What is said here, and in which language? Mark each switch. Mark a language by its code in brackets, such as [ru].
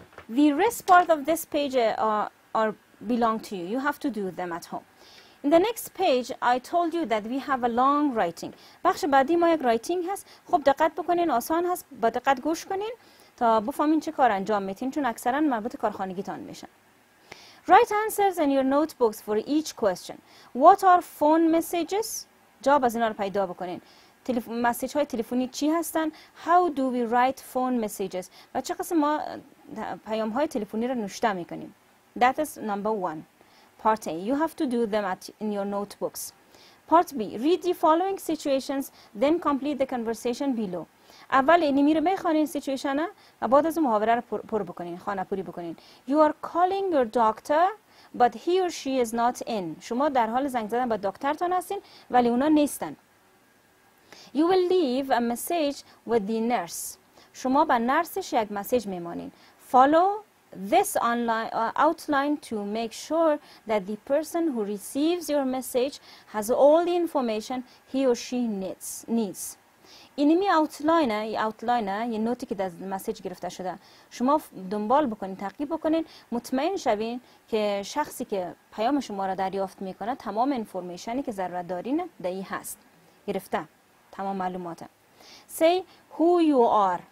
[en] the rest part of this page are belong to you have to do them at home. In the next page, I told you that we have a long writing. [fa] بخش بعدی ما یک رایتینگ هست. خوب دقت بکنین، آسان هست. با دقت گوش کنین تا بفهمین چه کار انجام میتین چون اکثرا مربوط کارخانگیتان میشن. [en] Write answers in your notebooks for each question. What are phone messages? [fa] جواب از اینا رو پیدا بکنین. مسیج های تلفنی چی هستن؟ [en] How do we write phone messages؟ [fa] و چه قسم ما پیام های تلفنی را نوشته میکنیم؟ [en] That is number one. Part A. You have to do them in your notebooks. Part B. Read the following situations, then complete the conversation below. [fa] اول اینی میره بخونین سیچویشن ها و بعد از محاوره رو پر بکنین، خانه پوری بکنین. [en] You are calling your doctor, but he or she is not in. [fa] شما در حال زنگ زدن به دکترتان هستین ولی اونا نیستن. [en] You will leave a message with the nurse. [fa] شما به نرسش یک مسیج میمانین. [en] Follow this online outline to make sure that the person who receives your message has all the information he or she needs. [fa] اینمی آوتلاینه، ای آوتلاینه، یه نوتی که از مسیج گرفته شده. شما دنبال بکنین، تعقیب بکنین، مطمئن شوین که شخصی که پیام شما را دریافت میکنه تمام انفورمیشنی که ضرورت دارین در این هست. گرفته. تمام معلوماته. [en] Say who you are.